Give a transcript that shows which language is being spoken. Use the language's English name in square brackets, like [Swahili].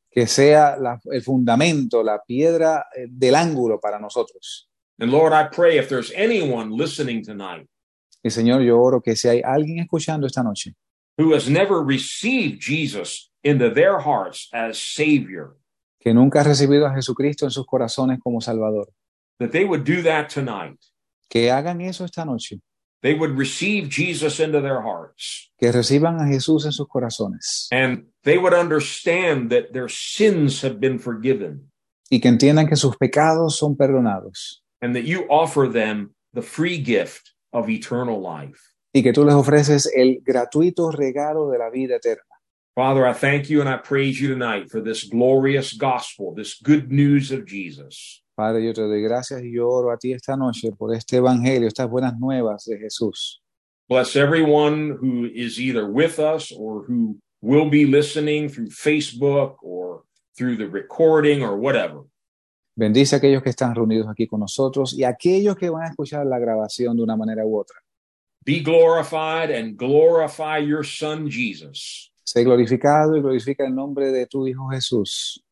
[Spanish] Que sea el fundamento, la piedra del ángulo para nosotros. [English] And Lord, I pray if there's anyone listening tonight. [Spanish] Y Señor, yo oro que si hay alguien escuchando esta noche. [English] Who has never received Jesus into their hearts as Savior. [Spanish] Que nunca ha recibido a Jesucristo en sus corazones como Salvador. [English] That they would do that tonight. [Spanish] Que hagan eso esta noche. [English] They would receive Jesus into their hearts. [Spanish] Que reciban a Jesús en sus corazones. [English] And they would understand that their sins have been forgiven. [Spanish] Y que entiendan que sus pecados son perdonados. [English] And that you offer them the free gift of eternal life. [Spanish] Y que tú les ofreces el gratuito regalo de la vida eterna. [English] Father, I thank you and I praise you tonight for this glorious gospel, this good news of Jesus. [Spanish] Padre, yo te doy gracias y yo oro a ti esta noche por este evangelio, estas buenas nuevas de Jesús. [English] Bless everyone who is either with us or who will be listening through Facebook or through the recording or whatever. [Spanish] Bendice a aquellos que están reunidos aquí con nosotros y a aquellos que van a escuchar la grabación de una manera u otra. [English] Be glorified and glorify your son Jesus. [Spanish] Sé glorificado y glorifica el nombre de tu hijo Jesús.